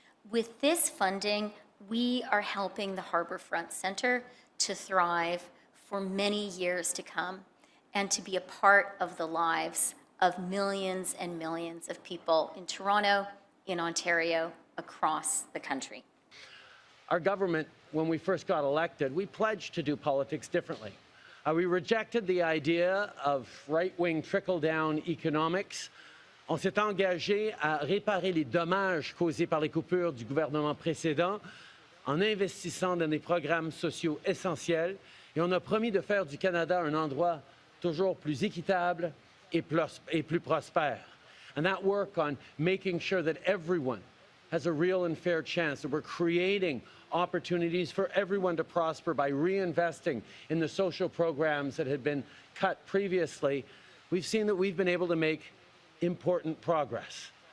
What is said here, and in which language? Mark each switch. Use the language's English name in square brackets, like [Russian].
[English] With this funding, we are helping the Harbourfront Centre to thrive for many years to come, and to be a part of the lives of millions and millions of people in Toronto, in Ontario, across the country. Our government, when we first got elected, we pledged to do politics differently. We rejected the idea of right-wing trickle-down economics. [French] On s'est engagé à réparer les dommages causés par les coupures du gouvernement précédent en investissant dans des programmes sociaux essentiels, et on a promis de faire du Canada un endroit toujours plus équitable et plus prospère. [English] And that work on making sure that everyone has a real and fair chance, that we're creating opportunities for everyone to prosper by reinvesting in the social programs that had been cut previously, we've seen that we've been able to make important progress.